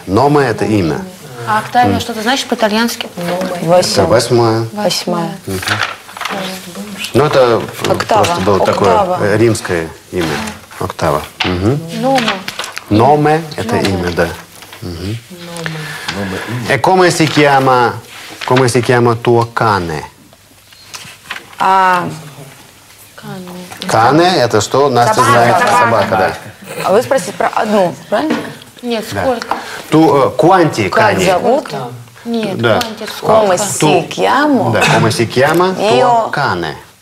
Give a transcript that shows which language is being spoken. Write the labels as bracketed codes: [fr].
[ru] Nome – это имя. А Octavia что-то значит по-итальянски? Восьмая. Восьмая. Восьмая. Ну, это просто было такое римское имя. Октава. [it] Nome. [ru] Nome – это имя, да. [it] E come si chiama tuo cane? Cane. [ru] Cane это что? Настя знает, собака, да. А вы спросите про одну, правильно? Нет, сколько? [it] Tu quanti cani? [ru] Как зовут? Нет, quanti, сколько? [it] Come si chiama? Да, come si chiama tuo cane?